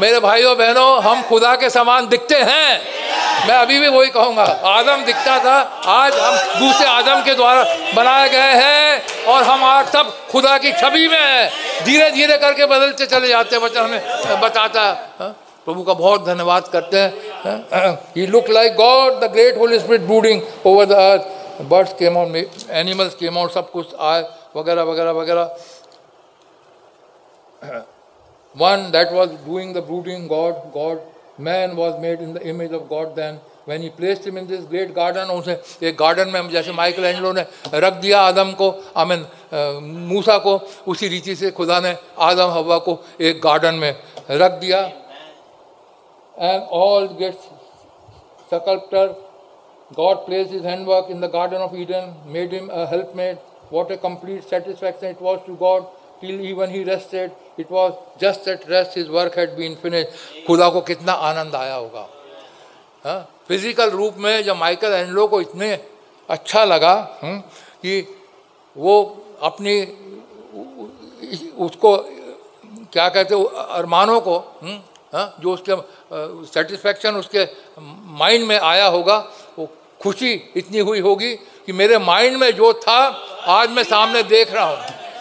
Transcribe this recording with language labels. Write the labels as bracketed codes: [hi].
[hi] मेरे भाइयों बहनों हम खुदा के समान दिखते हैं, मैं अभी भी वही कहूँगा, आदम दिखता था, आज हम दूसरे आदम के द्वारा बनाए गए हैं और हम आज सब खुदा की छवि में है, धीरे धीरे करके बदलते चले जाते हैं. वचन हमें बताता है, प्रभु का बहुत धन्यवाद करते हैं. [en] he look like God the great Holy Spirit brooding over the earth, birds came out, animals came out, [hi] सब कुछ आए वगैरह वगैरह वगैरह. [en] One that was doing the brooding God, God, man was made in the image of God then, when he placed him in this great garden, [hi] उसे एक garden में जैसे माइकल एंजलो ने रख दिया [en] आदम को, मूसा को, उसी रीति से खुदा ने आदम हवा को एक garden में रख दिया. And all great sculptor, God placed his handwork in the garden of Eden, made him a helpmate, what a complete satisfaction it was to God. Till even he rested, it was just at rest his work had been finished. [hi] खुदा को कितना आनंद आया होगा. Physical रूप में जब Michael Angelo को इतने अच्छा लगा कि वो अपनी उसको क्या कहते अरमानों को जो उसके सेटिस्फैक्शन उसके माइंड में आया होगा, वो खुशी इतनी हुई होगी कि मेरे माइंड में जो था आज मैं सामने देख रहा हूँ.